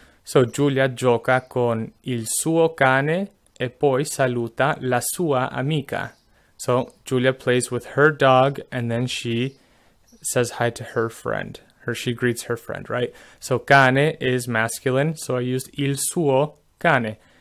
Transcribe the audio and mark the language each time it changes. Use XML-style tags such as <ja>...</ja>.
<it>So Giulia gioca con il suo cane e poi saluta la sua amica.</it> <en>So Giulia plays with her dog and then she says hi to her friend. She greets her friend, right? So cane is masculine, so I used</en> <it>il suo cane.</it>